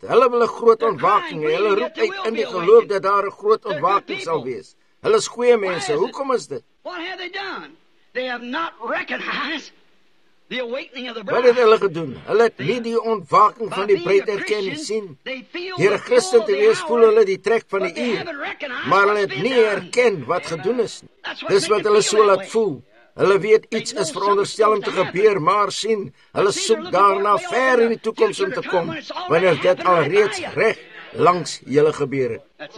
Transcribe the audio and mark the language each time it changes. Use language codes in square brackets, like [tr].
[af] Hulle wil 'n groot ontwaking, hulle roep uit in die geloof dat daar 'n groot ontwaking sal wees. Hulle is goeie mense, hoekom is dit? [en] What have they done? They have not recognized the awakening of the bride. [af] Wat het hulle gedoen? Hulle het nie die ontwaking van die bruid erken en sien. Deur 'n Christen te wees, voel hulle die trek van die uur. Maar hulle het nie erken wat gedoen is nie. Dis wat hulle so laat voel. Hulle weet iets is veronderstel om te gebeur, maar sien, hulle soek daarna ver in die toekoms om te kom, wanneer dit al reeds reg langs julle gebeur het.